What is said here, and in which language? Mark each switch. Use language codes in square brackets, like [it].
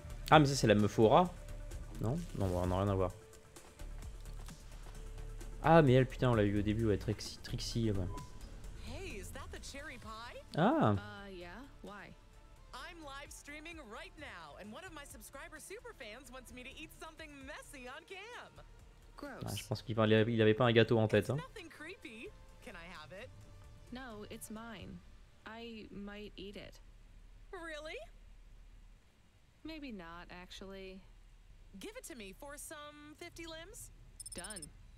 [fr] Ah mais ça c'est la meuf aura. Non, non, on n'a rien à voir. Ah mais elle, putain, on l'a eu au début, ouais, Trixie. Ouais. [en] Hey, is that the cherry pie? Ah. Yeah. Why? I'm live streaming right now and one of my subscriber super fans wants me to eat something messy on cam. Gross. [fr] Ah, je pense qu'il parlait, il avait pas un gâteau en tête, [en] hein. Creepy. Can I have it? No, it's mine. I might eat it. Really? Maybe not, actually. Give it to me for some 50 limbs. Done.